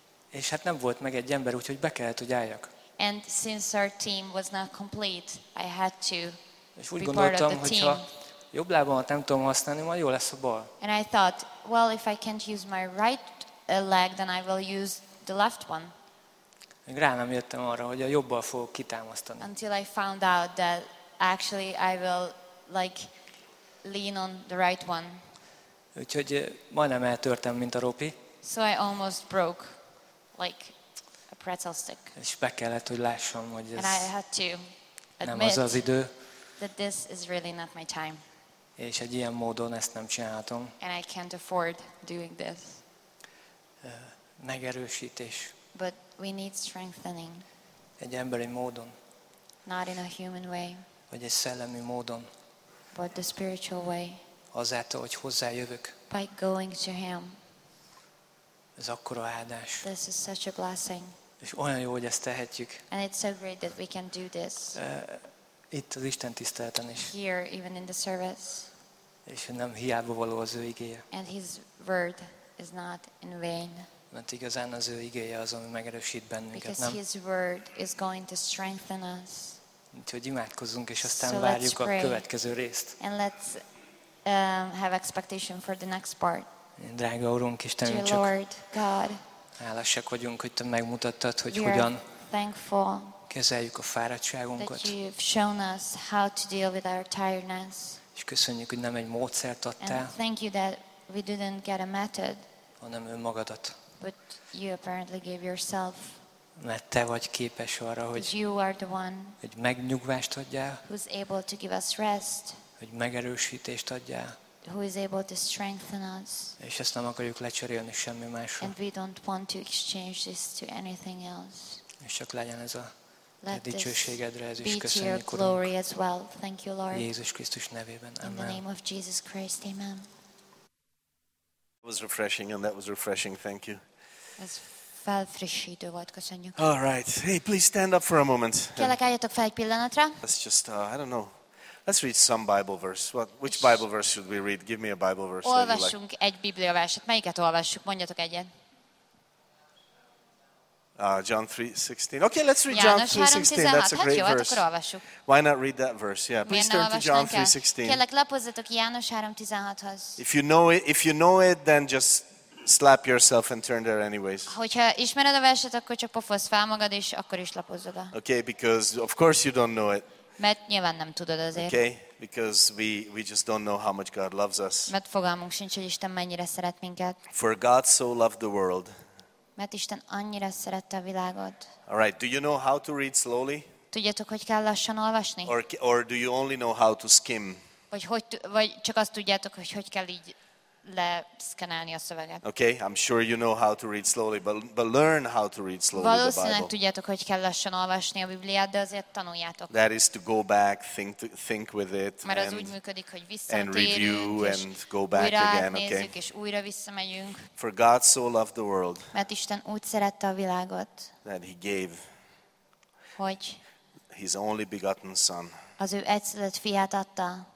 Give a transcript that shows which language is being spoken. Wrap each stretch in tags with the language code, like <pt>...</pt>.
<hu>És hát nem volt meg egy ember, úgyhogy be kellett, hogy álljak.</hu> <en>And since our team was not complete, I had to be part of the team.</en> <hu>És úgy gondoltam, hogyha jobb lábamat nem tudom használni, majd jó lesz a bal.</hu> <en>And I thought, well, if I can't use my right leg, then I will use the left one.</en> <hu>Még rá nem jöttem arra, hogy a jobbal fogok kitámasztani.</hu> <en>Until I found out that actually I will like lean on the right one.</en> <hu>Úgyhogy majdnem eltörtem, mint a ropi.</hu> <en>So I almost broke like a pretzel stick.</en> <hu>És be kellett, hogy lássam, hogy ez</hu> <en>and I had to</en> <hu>nem az az idő.</hu> <en>That this is really not my time.</en> <hu>És egy ilyen módon ezt nem csinálhatom.</hu> <en>And I can't afford doing this.</en> <hu>Megerősítés.</hu> <en>But we need strengthening.</en> <hu>Egy emberi módon.</hu> <en>Not in a human way.</en> <hu>Vagy egy szellemi módon.</hu> <en>But the spiritual way.</en> <hu>Azáltal, hogy hozzájövök.</hu> <en>By going to him.</en> <hu>Ez akkora áldás.</hu> <en>This is such a blessing.</en> <hu>És olyan jó, hogy ezt tehetjük.</hu> <en>And it's so great that we can do this.</en> <hu>Itt az Isten tiszteleten is.</hu> <en>Here, even in the service.</en> <hu>És nem hiába való az ő igéje.</hu> <en>And his word is not in vain.</en> <hu>Mert igazán az ő igéje az, ami megerősít bennünket,</hu> <en>because</en> <hu>nem?</hu> <en>His word is going to strengthen us.</en> <hu>Úgyhogy imádkozzunk, és aztán várjuk a következő részt.</hu> <en>And let's have expectation for the next part.</en> <hu>Drága Urunk, Istenünk,</hu> <en>dear Lord, God,</en> <hu>hálásak vagyunk, hogy Te megmutattad, hogy hogyan</hu> <en>thankful,</en> <hu>kezeljük a fáradtságunkat.</hu> <en>That you've shown us how to deal with our tiredness.</en> <hu>És köszönjük, hogy nem egy módszert adtál.</hu> <en>And thank you that we didn't get a method,</en> <hu>hanem önmagadat.</hu> <en>But you apparently gave yourself.</en> <hu>Mert Te vagy képes arra, hogy</hu> <en>you are the one,</en> <hu>hogy megnyugvást adjál,</hu> <en>who's able to give us rest,</en> <hu>hogy megerősítést adjál,</hu> <en>who is able to strengthen us,</en> <hu>és ezt nem akarjuk lecserélni semmi másra.</hu> <en>And we don't want to exchange this to anything else.</en> <hu>És csak legyen ez a dicsőségedre, ez is köszönjük, Urunk.</hu> <en>Be to your glory as well. Thank you, Lord.</en> <hu>Jézus Krisztus nevében.</hu> <en>Amen. In the name of Jesus Christ, amen. It was refreshing, and that was refreshing. Thank you.</en> <hu>Ez felfrissítő volt, köszönjük.</hu> <en>All right. Hey, please stand up for a moment.</en> <hu>Kérlek, álljatok fel egy pillanatra.</hu> <en>Let's just, I don't know. Let's read some Bible verse. What? Which Bible verse should we read? Give me a Bible verse.</en> <hu>Olvassunk egy Biblia verset. Melyiket olvassuk? Mondjatok egyet.</hu> <en>John 3:16. Okay, let's read János John 3:16. That's a great verse. Why not read that verse? Yeah, please turn to John 3:16.</en> <hu>Kérlek, lapozzatok János 3:16-hoz.</hu> <en>If you know it, then just slap yourself and turn there anyways.</en> <hu>Hogyha ismered a verset, akkor csak pofozz fel magad, és akkor is lapozz oda.</hu> <en>Okay, because of course you don't know it.</en> <hu>Mert nyilván nem tudod azért.</hu> <en>Okay, because we just don't know how much God loves us.</en> <hu>Mert fogalmunk sincs, hogy Isten mennyire szeret minket.</hu> <en>For God so loved the world.</en> <hu>Mert Isten annyira szerette a világot.</hu> <en>All right, do you know how to read slowly?</en> <hu>Tudjátok, hogy kell lassan olvasni?</hu> <en>Or do you only know how to skim?</en> <hu>Vagy csak azt tudjátok, hogy kell így leszkenálni a szöveget.</hu> <en>Okay, I'm sure you know how to read slowly, but learn how to read slowly.</en> <hu>Valószínűleg tudjátok, hogy kell lassan olvasni a Bibliát, de azért tanuljátok.</hu> <en>That is to go back, think with it.</en> <hu>Mert az úgy működik, hogy visszatérünk,</hu> <en>and review and go back again. Okay.</en> <hu>És újra visszamegyünk.</hu> <en>For God so loved the world.</en> <hu>Mert Isten úgy szerette a világot.</hu> <en>That he gave.</en> <hu>Hogy?</hu> <en>His only begotten son.</en> <hu>Az ő egyszülött fiát adta.</hu>